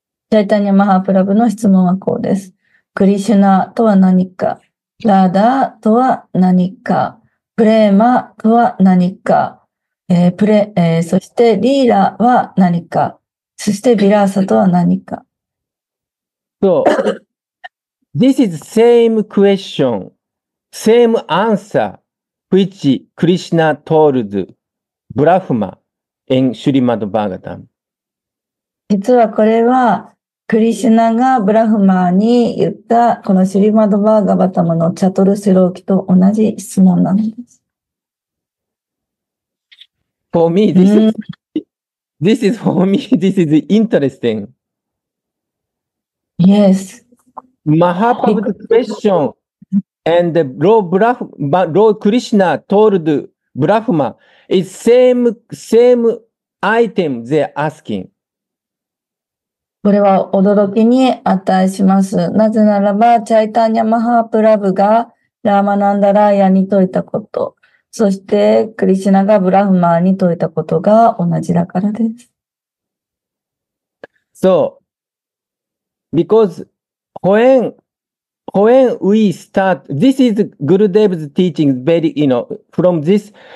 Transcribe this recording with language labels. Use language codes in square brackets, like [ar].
[ja] チャイタニア・マハプラブの質問はこうです。クリシュナとは何か、ラーダとは何か、プレーマとは何か、そしてリーラは何か、そしてヴィラーサとは何か。 [en] So, this is same question. Same answer which Krishna told Brahma in Srimad Bhagavatam. [ja] 実はこれはクリシュナがブラフマに言ったこのシュリマドバーガバタムのチャトルスローキと同じ質問なんです。 [en] For me, this is interesting. Yes. Mahaprabhu's question. And the Lord Brahma, Lord Krishna told Brahma is same item they're asking. [ja] これは驚きに値します。なぜならば、チャイタニア・マハプラブがラーマナンダラーヤに説いたこと、そしてクリシナがブラフマに説いたことが同じだからです。 [en] So, because When we start, this is Gurudev's teaching, very, you know, from this.